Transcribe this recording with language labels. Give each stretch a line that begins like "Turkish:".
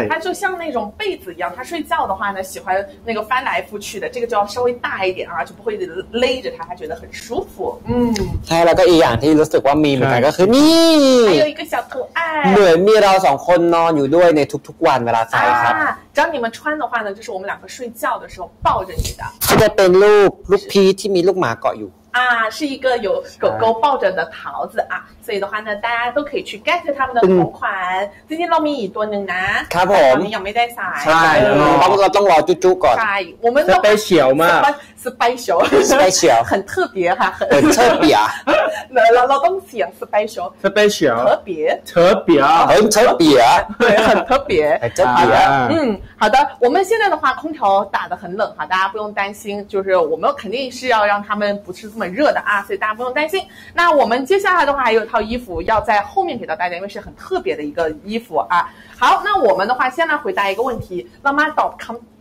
Chinese: 它就像那种被子一样它睡觉的话呢喜欢那个翻来覆去的这个就要稍微大一点啊就不会勒着它它觉得很舒服嗯
Thai: ใช่แล้วก็อีกอย่างที่รู้สึกว่ามีเหมือนกันก็คือนี่
Chinese: 还有一个小可爱
Thai: เหมือนมีเราสองคนนอนอยู่ด้วยในทุกๆวันเวลาใส่ครับ
Chinese: จำ你们穿的话呢就是我们两个睡觉的时候抱着你的
Thai: จะเป็นลูกพีที่มีลูกหมาเกาะอยู่
Chinese: 啊是一个有狗狗抱着的桃子啊所以的话呢大家都可以去 get 他们的同款今天
Thai: เรามีอีกตัวนึงนะ ครับผม ยังไม่ได้ใส่ใช่ เพราะต้องรอจุ๊จุ๊ก่อน
Chinese: ใช่我们
Thai: special มาก
English: special special
Chinese: 很特别哈很特别啊
Thai: เราต้องเสียง special
English: special
Chinese: 特别特别很特别对很特别很特别嗯好的我们现在的话空调打得很冷哈大家不用担心就是我们肯定是要让他们不吃这么热的啊所以大家不用担心那我们接下来的话还有一套衣服要在后面给到大家因为是很特别的一个衣服啊好那我们的话先来回答一个问题妈妈到底看